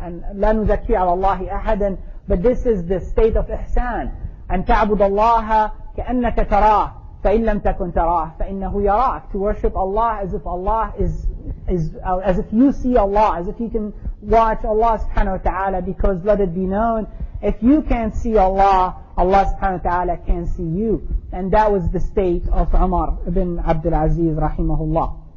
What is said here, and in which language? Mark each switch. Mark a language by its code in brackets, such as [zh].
[en] And [ar] لا نزكي على الله أحدا. [en] But this is the state of ihsan. [ar] أن تعبد الله كأنك تراه فإن لم تكن تراه فإنه يراك. [en] To worship Allah as if Allah is as if you see Allah, as if you can watch Allah subhanahu wa ta'ala, because let it be known, if you can't see Allah, Allah subhanahu wa ta'ala can see you. And that was the state of Umar ibn Abdul Aziz rahimahullah.